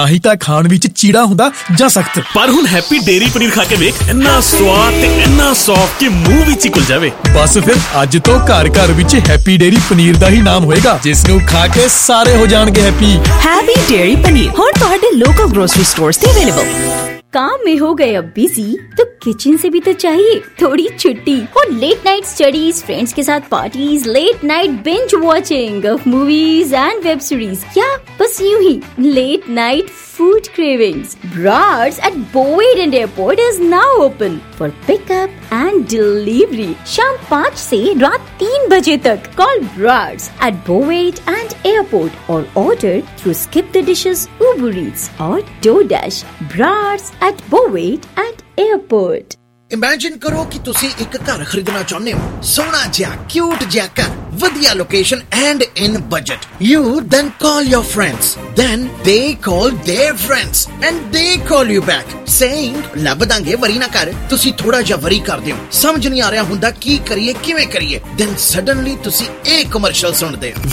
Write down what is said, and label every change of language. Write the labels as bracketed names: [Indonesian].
[Punjabi] ਤਾਂ ਹੀ ਤਾਂ ਖਾਣ ਵਿੱਚ ਚੀੜਾ ਹੁੰਦਾ ਜਾਂ ਸਖਤ ਪਰ ਹੁਣ ਹੈਪੀ ਡੇਰੀ ਪਨੀਰ ਖਾ ਕੇ ਵੇਖ ਇੰਨਾ ਸਵਾਦ ਤੇ ਇੰਨਾ ਸੌਫਟ ਕਿ ਮੂੰਹ ਵਿੱਚ ਹੀ ਘੁਲ ਜਾਵੇ ਬਸ ਫਿਰ ਅੱਜ ਤੋਂ ਘਰ ਘਰ ਵਿੱਚ ਹੈਪੀ ਡੇਰੀ ਪਨੀਰ ਦਾ ਹੀ ਨਾਮ ਹੋਏਗਾ ਜਿਸ ਨੂੰ ਖਾ ਕੇ ਸਾਰੇ ਹੋ ਜਾਣਗੇ ਹੈਪੀ ਹੈਪੀ ਡੇਰੀ ਪਨੀਰ ਹੁਣ ਤੁਹਾਡੇ ਲੋਕਲ ਗ੍ਰੋਸਰੀ ਸਟੋਰਸ ਤੇ ਅਵੇਲੇਬਲ [Hindi] काम में हो गए अब बिजी तो किचन से भी तो चाहिए थोड़ी छुट्टी और लेट नाइट स्टडीज फ्रेंड्स के साथ parties late night binge watching of movies and web series क्या बस यूं ही [English] late night food cravings Brar's at बोवेड and airport is now open for pickup and delivery [Hindi] शाम 5 से रात 3 बजे तक [English] Call Brar's at बोवेड and airport और order through Skip the Dishes Uber Eats और DoorDash ब्रार्स at Bowait at airport. [Punjabi] Imagine ਕਰੋ ਕਿ ਤੁਸੀਂ ਇੱਕ ਘਰ ਖਰੀਦਣਾ ਚਾਹੁੰਦੇ ਹੋ ਸੋਹਣਾ ਜਿਹਾ ਕਿਊਟ ਜਿਹਾ ਘਰ ਵਧੀਆ location [English] and in budget you then call your friends then they call their friends and they call you back [Punjabi] ਸੇਇੰਗ ਲੱਭ ਦਾਂਗੇ ਵਰੀ ਨਾ ਕਰ ਤੁਸੀਂ ਥੋੜਾ ਜਿਹਾ ਵਰੀ ਕਰ ਦਿਓ ਸਮਝ ਨਹੀਂ ਆ ਰਿਹਾ ਹੁੰਦਾ ਕੀ ਕਰੀਏ ਕਿਵੇਂ ਕਰੀਏ ਦੈਨ ਸਡਨਲੀ ਤੁਸੀਂ ਇਹ ਕਮਰਸ਼ੀਅਲ ਸੁਣਦੇ ਹੋ